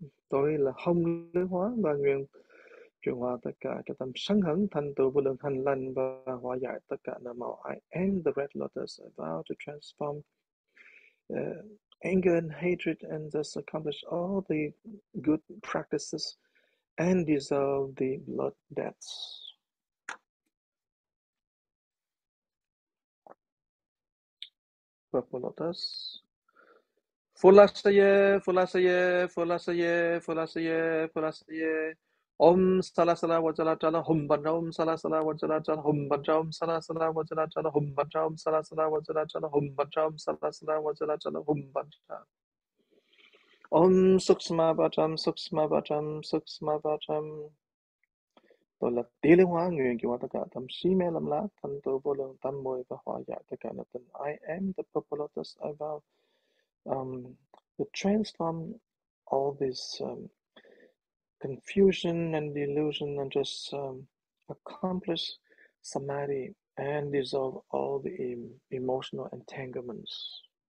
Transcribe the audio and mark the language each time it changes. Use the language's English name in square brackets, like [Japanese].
[Vietnamese] Tôi là Hồng Liên Hóa và nguyện chuyển hóa tất cả cho tâm sân hận thành tựu vô lượng hành lành và hóa giải tất cả nợ máu. [English] I am the Red Lotus. I vow to transform anger and hatred and thus accomplish all the good practices and dissolve the blood debts. Purple Lotus. Phu-la-sa-ye. [Sanskrit] Om sala sala vajra chala hum banta om sala sala vajra chala hum banta om sala sala vajra chala hum banta om sala sala vajra chala hum banta om sala sala vajra chala hum banta om suksma vajram suksma vajram suksma vajram [Vietnamese] Tôi là Tỳ Liên Hóa nguyện chuyển hóa tất cả tâm si mê lầm lạc thành tựu vô lượng tâm muội và hóa giải tất cả nợ tình. [English] I am the Purple Lotus. I vow to transform all this confusion and delusion and just accomplish samadhi and dissolve all the emotional entanglements.